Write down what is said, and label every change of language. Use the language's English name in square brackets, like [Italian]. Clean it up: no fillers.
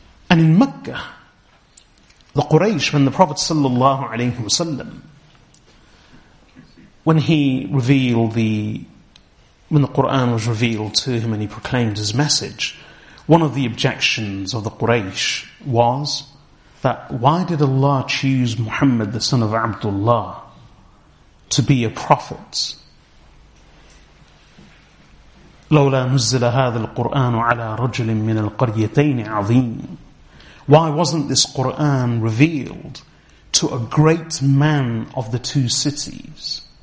[English] And in Mecca, the Quraysh, when the Prophet sallallahu alaihi wasallam, when he revealed when the Quran was revealed to him and he proclaimed his message, one of the objections of the Quraysh was that why did Allah choose Muhammad the son of Abdullah to be a prophet? [Arabic] لولا نزل هذا القرآن على رجل من القريتين عظيم. [English] Why wasn't this Qur'an revealed to a great man of the two cities?